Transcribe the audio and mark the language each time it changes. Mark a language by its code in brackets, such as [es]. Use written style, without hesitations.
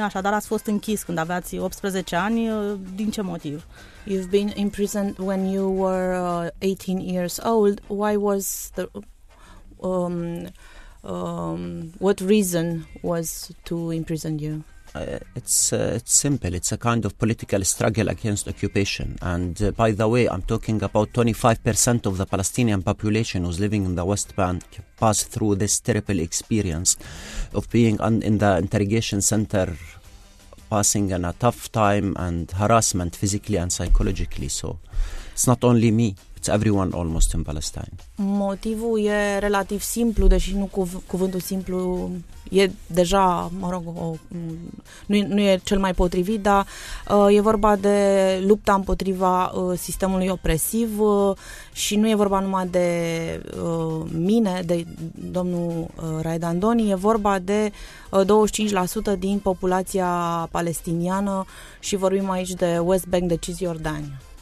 [ro] Așadar, ați fost închis când aveați 18 ani. Din ce motiv? [en] You've been imprisoned when you were 18 years old. Why was the... what reason was to imprison you? It's simple. It's a kind of political struggle against occupation. And by the way, I'm talking about 25% of the Palestinian population who's living in the West Bank passed through this terrible experience of being in the interrogation center, passing in a tough time and harassment physically and psychologically. So it's not only me. It's everyone almost in Palestine. [ro] Motivul e relativ simplu, deși nu cuvântul simplu e deja, mă rog, nu e cel mai potrivit, dar e vorba de lupta împotriva sistemului opresiv și nu e vorba numai de mine, de domnul Raed Andoni, e vorba de 25% din populația palestiniană și vorbim aici de West Bank de Cisjordania.